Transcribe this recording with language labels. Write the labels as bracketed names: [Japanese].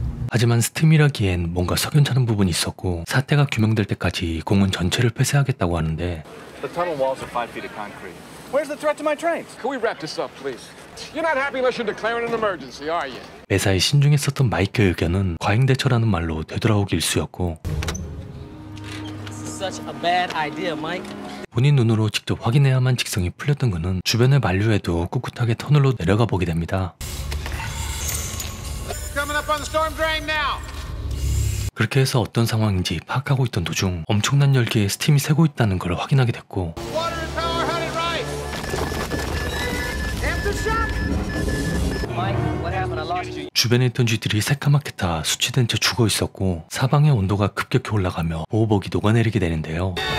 [Korean] 하지만 스팀이라기엔 뭔가 석연찮은 부분이 있었고 사태가 규명될 때까지 공원 전체를 폐쇄하겠다고 하는데 [English] Where's the threat to my trains? Can we wrap this up, please? You're not happy unless you're declaring an emergency, are you? [Korean] 매사에 신중했었던 마이크의 의견은 과잉대처라는 말로 되돌아오기 일쑤였고 [English] This is such a bad idea, Mike. [Korean] 본인 눈으로 직접 확인해야만 직성이 풀렸던 그는 주변의 만류에도 꿋꿋하게 터널로 내려가 보게 됩니다. [English] Coming up on the storm drain now. [Korean] 그렇게 해서 어떤 상황인지 파악하고 있던 도중 엄청난 열기에 스팀이 새고 있다는 걸 확인하게 됐고 주변에 있던 쥐들이 새까맣게 타 수치된 채 죽어 있었고 사방의 온도가 급격히 올라가며 보호복이 녹아내리게 되는데요.